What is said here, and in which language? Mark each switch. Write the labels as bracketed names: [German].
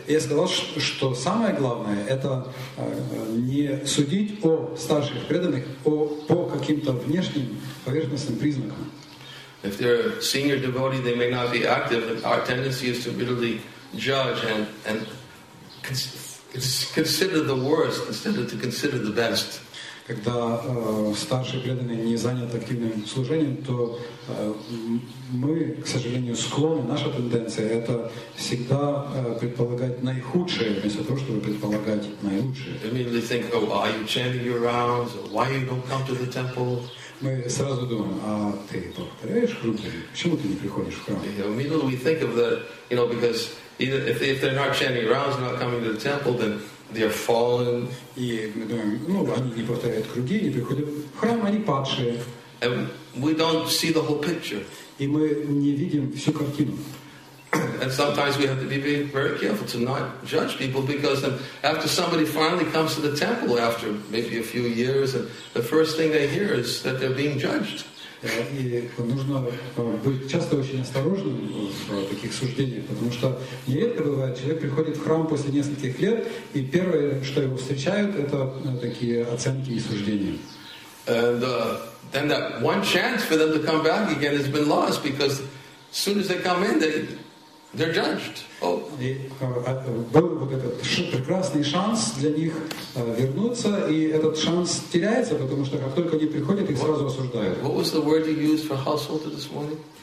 [Russian] Я сказал, что самое главное это не судить о старших преданных по каким-то внешним поверхностным признакам. [English] If they're a senior devotee, they may not be active. Our tendency is to bitterly judge and consider the worst instead of to consider the best. [Russian] Когда старшие преданные не заняты активным служением, то мы, к сожалению, склонны, наша тенденция, это всегда предполагать наихудшее, вместо того, чтобы предполагать наилучшее. [English] Immediately think, oh, are you chanting your rounds? Why you don't come to the temple? [Russian] Мы сразу думаем, а ты повторяешь круги? Почему ты не приходишь в храм? [English] Immediately we think of the, you know, because either if they're not chanting rounds, not coming to the temple, then they're fallen. [Russian] И мы думаем, ну, они не повторяют круги, не приходят в храм, они падшие. [English] And we don't see the whole picture. [Russian] И мы не видим всю картину. [English] And sometimes we have to be very careful to not judge people, because then after somebody finally comes to the temple after maybe a few years, and the first thing they hear is that they're being judged. [Russian] И нужно быть часто очень осторожным в таких суждениях, потому что нередко бывает, человек приходит в храм после нескольких лет, и первое, что его встречают, это такие оценки и суждения. [English] And then that one chance for them to come back again has been lost, because as soon as they come in, they're judged. [Russian] Был вот этот прекрасный шанс для них вернуться, и этот шанс теряется, потому что как только они приходят, их сразу осуждают. [English] What was the word you used for household this morning?